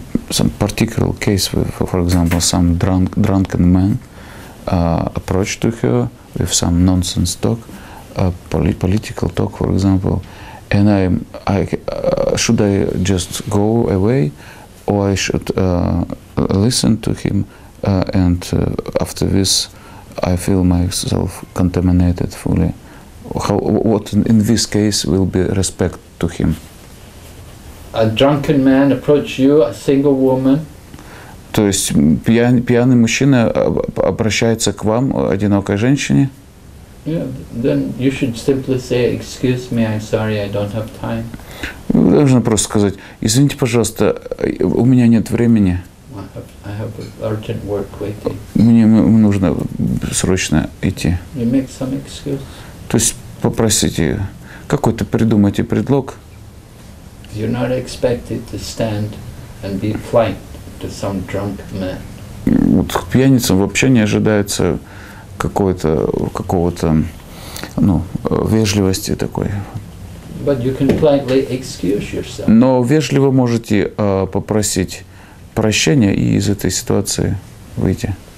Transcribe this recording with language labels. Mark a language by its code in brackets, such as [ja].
[en] Some particular case, for example, some drunken man approached to her with some nonsense talk, political talk, for example, and should I just go away, or I should listen to him, and after this, I feel myself contaminated fully. What in this case will be respect to him? A drunken man approach you, a single woman. [ru] То есть пьяный мужчина обращается к вам, одинокой женщине. [en] Yeah, then you should simply say, excuse me, I'm sorry, I don't have time. [ru] Вы должны просто сказать, извините, пожалуйста, у меня нет времени. [en] I have urgent work waiting. [ru] Мне нужно срочно идти. [en] You make some excuse. [ru] То есть попросите какой-то придумайте предлог. [en] You're not expected to stand and be polite to some drunk man. [ru] Вот к пьяницам вообще не ожидается какого-то вежливости такой. [en] But you can politely excuse yourself. [ru] Но вежливо можете попросить прощения и из этой ситуации выйти.